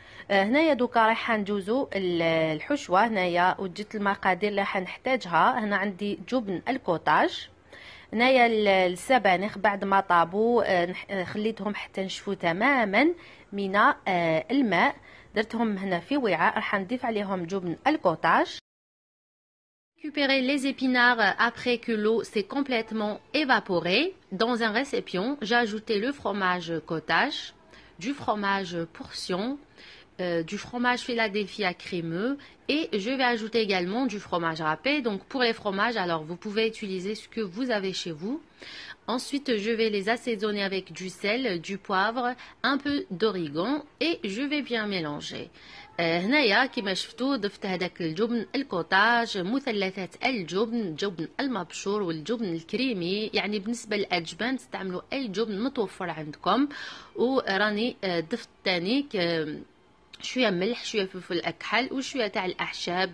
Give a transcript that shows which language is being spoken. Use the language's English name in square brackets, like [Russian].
[Arabic] هنايا دوكا راح ندوزو الحشوه. هنايا وجدت المقادير اللي راح نحتاجها. هنا عندي جبن الكوتاج، هنايا السبانخ بعد ما طابو خليتهم حتى نشفو تماما من الماء، درتهم هنا في وعاء راح نضيف عليهم جبن الكوتاج. [French] Récupérer les épinards après que l'eau s'est complètement évaporée. Dans un récipient, j'ai ajouté le fromage cottage, du fromage portion, du fromage Philadelphia crémeux, et je vais ajouter également du fromage râpé. Donc pour les fromages, alors vous pouvez utiliser ce que vous avez chez vous. Ensuite, je vais les assaisonner avec du sel, du poivre, un peu d'origan et je vais bien mélanger. [Arabic] هنايا كيما شفتوا ضفت هذاك الجبن الكوتاج، مثلثات الجبن، جبن المبشور والجبن الكريمي. يعني بالنسبه للاجبان تستعملوا اي جبن متوفر عندكم. وراني ضفت تاني شويه ملح، شويه فلفل اكحل، وشويه تاع الاعشاب.